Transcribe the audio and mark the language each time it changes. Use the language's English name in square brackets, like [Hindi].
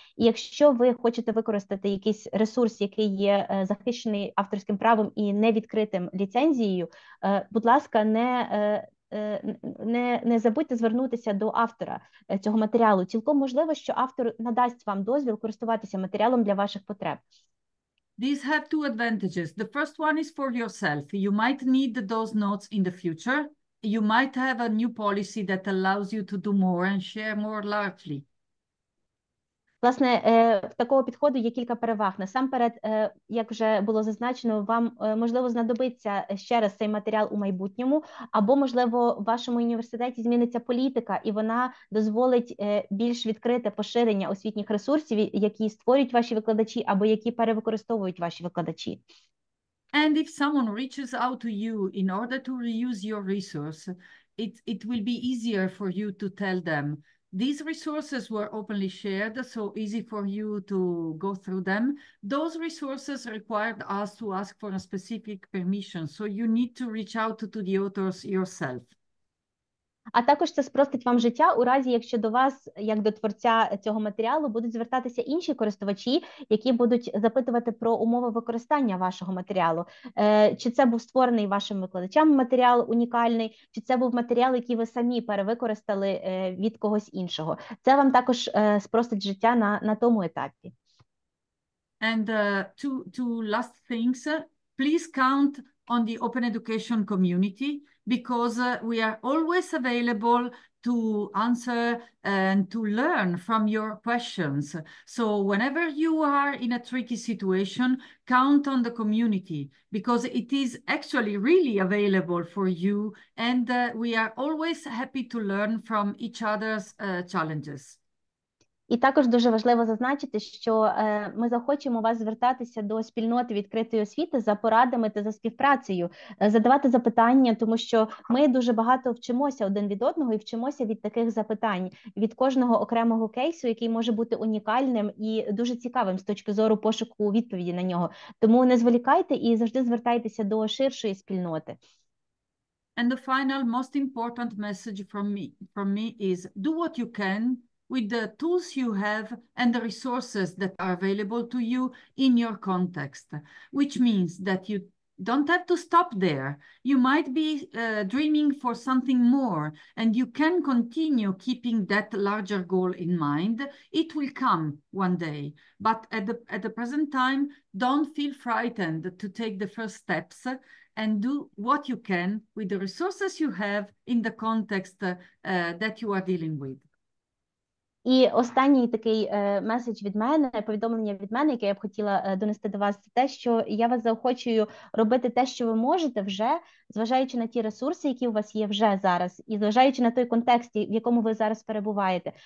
[Ukrainian] І якщо ви хочете використати якийсь ресурс, який є захищений авторським правом і не відкритим ліцензією, будь ласка, не забудьте звернутися до автора цього матеріалу. Цілком можливо, що автор надасть вам дозвіл користуватися матеріалом для ваших потреб. [English] These have two advantages. The first one is for yourself. You might need those notes in the future. You might have a new policy that allows you to do more and share more largely. [Ukrainian] Власне, в такого підходу є кілька переваг. Насамперед, як вже було зазначено, вам можливо знадобиться ще раз цей матеріал у майбутньому, або можливо в вашому університеті зміниться політика, і вона дозволить більш відкрите поширення освітніх ресурсів, які створюють ваші викладачі або які перевикористовують ваші викладачі. [English] And if someone reaches out to you in order to reuse your resource, it will be easier for you to tell them. These resources were openly shared, so easy for you to go through them. Those resources required us to ask for a specific permission, so you need to reach out to the authors yourself. [Ukrainian] А також це спростить вам життя у разі, якщо до вас, як до творця цього матеріалу, будуть звертатися інші користувачі, які будуть запитувати про умови використання вашого матеріалу. Чи це був створений вашим викладачем матеріал унікальний, чи це був матеріал, який ви самі перевикористали від когось іншого. Це вам також спростить життя на тому етапі. [English] And two last things. Please count on the Open Education community, because we are always available to answer and to learn from your questions. So whenever you are in a tricky situation, count on the community, because it is actually really available for you, and we are always happy to learn from each other's challenges. [Ukrainian] І також дуже важливо зазначити, що ми захочемо вас звертатися до спільноти відкритої освіти за порадами та за співпрацею, задавати запитання, тому що ми дуже багато вчимося один від одного і вчимося від таких запитань, від кожного окремого кейсу, який може бути унікальним і дуже цікавим з точки зору пошуку відповіді на нього. Тому не зволікайте і завжди звертайтеся до ширшої спільноти. [English] And the final most important message from me is do what you can with the tools you have and the resources that are available to you in your context, which means that you don't have to stop there. You might be dreaming for something more, and you can continue keeping that larger goal in mind. It will come one day, but at the present time, don't feel frightened to take the first steps and do what you can with the resources you have in the context that you are dealing with. [Ukrainian] І останній такий меседж від мене, повідомлення від мене, яке я б хотіла донести до вас, це те, що я вас заохочую робити те, що ви можете вже, зважаючи на ті ресурси, які у вас є вже зараз, і зважаючи на той контекст, в якому ви зараз перебуваєте.